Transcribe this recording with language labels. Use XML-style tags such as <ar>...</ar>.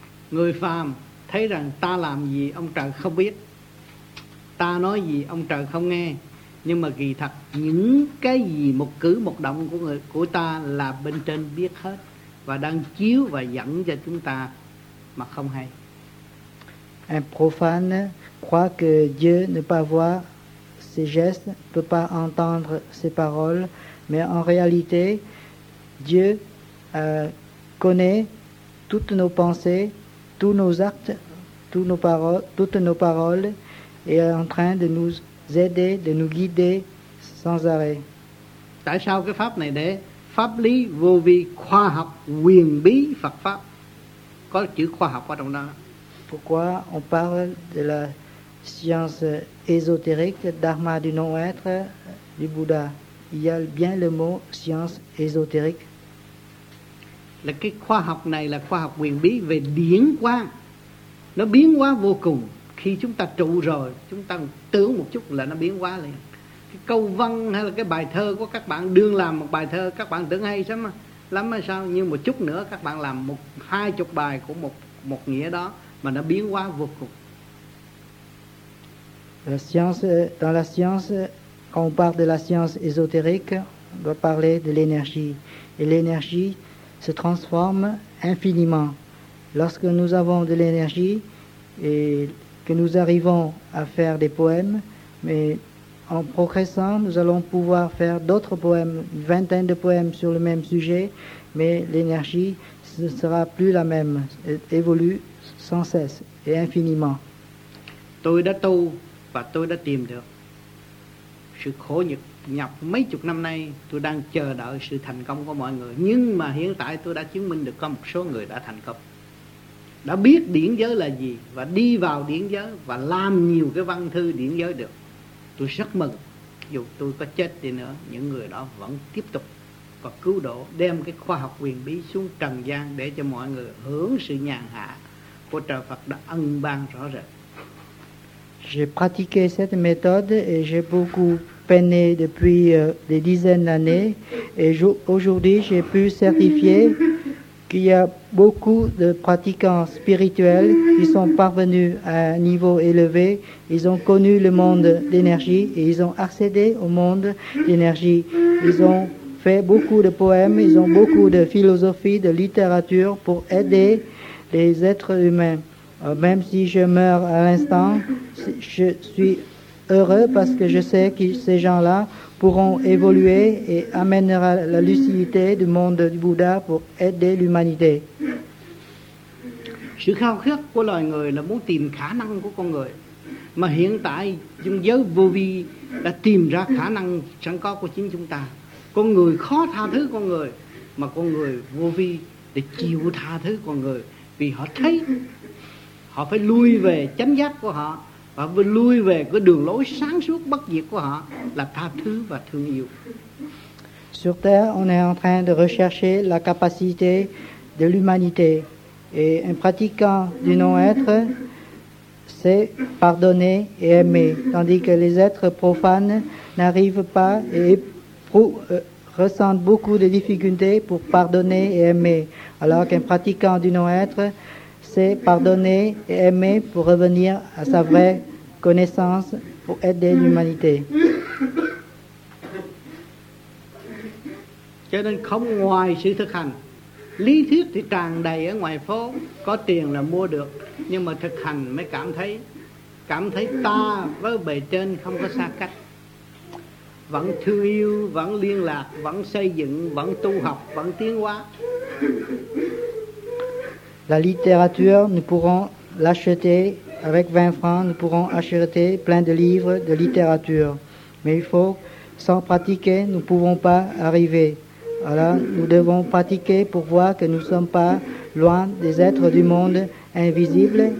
<vi>Người phàm thấy rằng ta làm gì ông trời không biết, ta nói gì ông trời không nghe, nhưng mà kỳ thật những cái gì một cử một động của người của ta là bên trên biết hết và đang chiếu và dẫn cho chúng ta mà không hay.</vi> <fr>Un profane croit que Dieu ne peut pas voir ses gestes, ne peut pas entendre ses paroles, mais en réalité, Dieu connaît toutes nos pensées, tous nos actes, toutes nos paroles, et est en train de nous aider, de nous guider sans arrêt.</fr> <vi>Tại sao cái pháp này để pháp lý vô vi khoa học huyền bí Phật pháp có chữ khoa học ở trong đó?</vi> <fr>Pourquoi on parle de la science ésotérique, dharma du non-être, du Bouddha? Il y a bien le mot science ésotérique.</fr> <vi>Là cái khoa học này là khoa học huyền bí về điển quang. Nó biến hóa vô cùng. Khi chúng ta trụ rồi, chúng ta tưởng một chút là nó biến hóa liền. Cái câu văn hay là cái bài thơ của các bạn đương làm một bài thơ, các bạn tưởng hay lắm, lắm hay sao? Nhưng một chút nữa các bạn làm một 20 bài của một nghĩa đó, mà nó biến hóa vô cùng.</vi> <fr>La science, dans la science, quand on parle de la science ésotérique, on doit parler de l'énergie. Et l'énergie se transforme infiniment. Lorsque nous avons de l'énergie et que nous arrivons à faire des poèmes, mais en progressant, nous allons pouvoir faire d'autres poèmes, une vingtaine de poèmes sur le même sujet, mais l'énergie ne sera plus la même, évolue sans cesse et infiniment.</fr> <vi>Tôi đã tu và tôi đã tìm được sự khổ nhục nhập mấy chục năm nay, tôi đang chờ đợi sự thành công của mọi người, nhưng mà hiện tại tôi đã chứng minh được có một số người đã thành công, đã biết điển giới là gì và đi vào điển giới và làm nhiều cái văn thư điển giới được. Tôi rất mừng, dù tôi có chết đi nữa, những người đó vẫn tiếp tục và cứu độ, đem cái khoa học huyền bí xuống trần gian để cho mọi người hưởng sự nhàn hạ của trời Phật đã ân ban rõ rệt.</vi> <fr>J'ai pratiqué cette méthode et j'ai beaucoup peiné depuis des dizaines d'années. Et aujourd'hui, j'ai pu certifier qu'il y a beaucoup de pratiquants spirituels qui sont parvenus à un niveau élevé. Ils ont connu le monde d'énergie et ils ont accédé au monde d'énergie. Ils ont fait beaucoup de poèmes, ils ont beaucoup de philosophie, de littérature pour aider les êtres humains. Même si je meurs à l'instant, je suis heureux parce que je sais que ces gens-là pourront évoluer et amènera la lucidité du monde du Bouddha pour aider l'humanité.</fr> <vi>Sự khao khát của loài người là muốn tìm khả năng của con người, mà hiện tại trong giới vô vi đã tìm ra khả năng sẵn có của chính chúng ta. Con người khó tha thứ con người, mà con người vô vi để chịu tha thứ con người vì họ thấy họ phải lui về chánh giác của họ và lui về cái đường lối sáng suốt bất diệt của họ là tha thứ và thương yêu.</vi> <fr>Sur terre, on est en train de rechercher la capacité de l'humanité et un pratiquant du non-être sait pardonner et aimer, tandis que les êtres profanes n'arrivent pas et ressentent beaucoup de difficultés pour pardonner et aimer, alors qu'un pratiquant du non-être c'est pardonner et aimer pour revenir à sa vraie connaissance pour aider l'humanité.</fr> <vi>Cho nên không ngoài sự thực hành, lý thuyết thì tràn đầy ở ngoài phố, có tiền là mua được, nhưng mà thực hành mới cảm thấy ta với bề trên không có xa cách, vẫn thương yêu, vẫn liên lạc, vẫn xây dựng, vẫn tu học, vẫn tiến hóa.</vi> <fr>La littérature, nous pourrons l'acheter avec 20 francs, nous pourrons acheter plein de livres de littérature. Mais il faut, sans pratiquer, nous ne pouvons pas arriver. Alors, nous devons pratiquer pour voir que nous ne sommes pas loin des êtres du monde invisible.</fr>